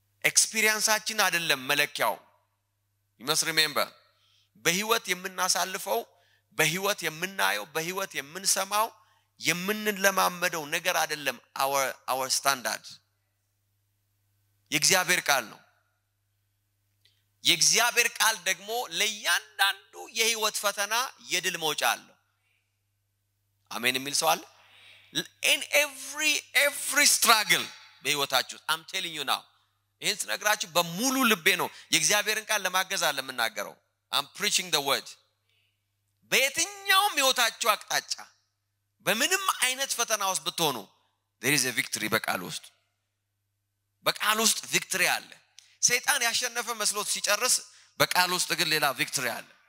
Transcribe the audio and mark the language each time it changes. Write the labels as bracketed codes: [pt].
[am] experienceአችን አይደለም መለኪያው። [en] You must remember, [am] በህይወት የምናሳልፈው በህይወት የምናየው በህይወት የምንሰማው የምንለማመደው ነገር አይደለም [en] our standard. [am] የእግዚአብሔር ቃል ነው። የእግዚአብሔር ቃል ደግሞ ለእያንዳንዱ የህይወት ፈተና የድል መውጫ አለው። አሜን የሚል ሰው አለ? [en] In every struggle በህይወታችሁ I'm telling you now. [am] እንስ ነግራችሁ በሙሉ ልቤ ነው የእግዚአብሔርን ቃል ለማገዝ አለምናገረው። [en] I'm preaching the word. [am] በየትኛውም ህይወታችሁ አቅጣጫ በምንም አይነት ፈተና ውስጥ ብትሆኑ [en] there is a victory [am] በቃል ውስጥ። በቃል ውስጥ ቪክቶሪ አለ። ሰይጣን ያሸነፈ መስሎት ሲጨርስ በቃል ውስጥ ግን ሌላ ቪክቶሪ አለ።